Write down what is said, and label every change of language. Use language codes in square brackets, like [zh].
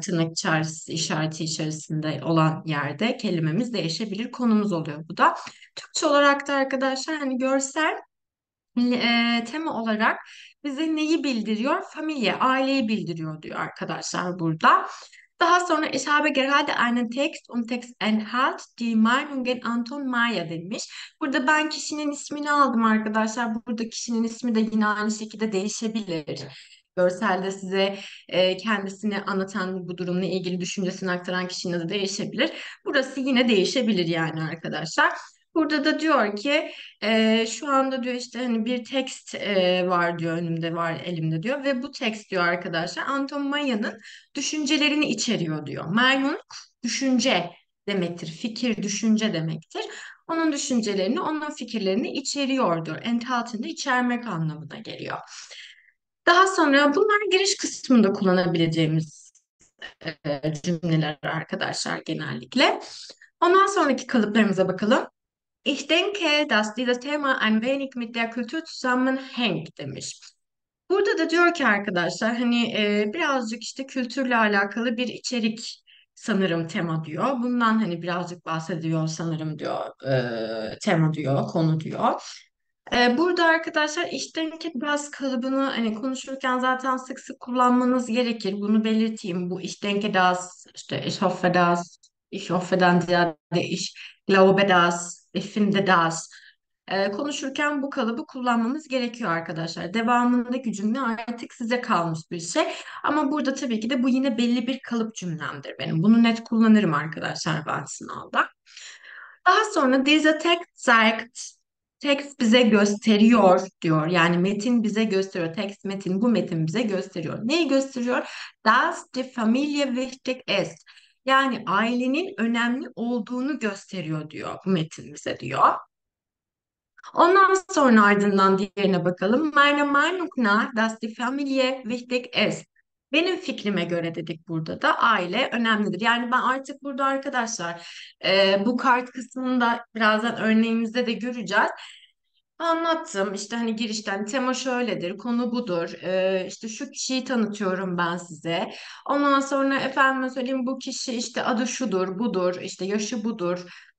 [tr] Tırnak işareti içerisinde olan yerde kelimemiz değişebilir. Konumuz oluyor bu da. Türkçe olarak da arkadaşlar hani görsel tema olarak bize neyi bildiriyor? Familie, aileyi bildiriyor diyor arkadaşlar burada. Daha sonra [de] ich habe gerade einen Text und Text enthält die Meinungen Anton Maya demiş. [tr] Burada ben kişinin ismini aldım arkadaşlar. Burada kişinin ismi de yine aynı şekilde değişebilir. Görselde size kendisini anlatan bu durumla ilgili düşüncesini aktaran kişinin adı değişebilir. Burası yine değişebilir yani arkadaşlar. Burada da diyor ki şu anda diyor işte hani bir text var diyor önümde var elimde diyor. Ve bu text diyor arkadaşlar Anton Maya'nın düşüncelerini içeriyor diyor. Meinung düşünce demektir. Fikir düşünce demektir. Onun düşüncelerini onun fikirlerini içeriyor diyor. Enthalten de içermek anlamına geliyor. Daha sonra bunlar giriş kısmında kullanabileceğimiz cümleler arkadaşlar genellikle. Ondan sonraki kalıplarımıza bakalım. [de] Ich denke, dass dieses Thema ein wenig mit der Kultur zusammenhängt demiş. [tr] Burada da diyor ki arkadaşlar hani birazcık işte kültürle alakalı bir içerik sanırım tema diyor. Bundan hani birazcık bahsediyor sanırım diyor tema diyor konu diyor. Burada arkadaşlar işten ki biraz kalıbını hani konuşurken zaten sık sık kullanmanız gerekir. Bunu belirteyim. Bu işten ki [de] das, işte ich hoffe das, ich hoffe'den ziyade ich glaube das, ich finde das. [tr] Konuşurken bu kalıbı kullanmamız gerekiyor arkadaşlar. Devamındaki cümle artık size kalmış bir şey. Ama burada tabii ki de bu yine belli bir kalıp cümlemdir benim. Bunu net kullanırım arkadaşlar ben sınavda. Daha sonra [de] diese Text zeigt. [tr] Text bize gösteriyor diyor. Yani metin bize gösteriyor. Text metin bu metin bize gösteriyor. Neyi gösteriyor? [de] Das die Familie wichtig ist. [tr] Yani ailenin önemli olduğunu gösteriyor diyor bu metin bize diyor. Ondan sonra ardından diğerine bakalım. [de] Meine Meinung nach, dass die Familie wichtig ist. [tr] Benim fikrime göre dedik burada da aile önemlidir. Yani ben artık burada arkadaşlar bu kart kısmında birazdan örneğimizde de göreceğiz. Anlattım işte hani girişten tema şöyledir, konu budur. İşte şu kişiyi tanıtıyorum ben size. Ondan sonra efendim söyleyeyim bu kişi işte adı şudur, budur, işte yaşı budur.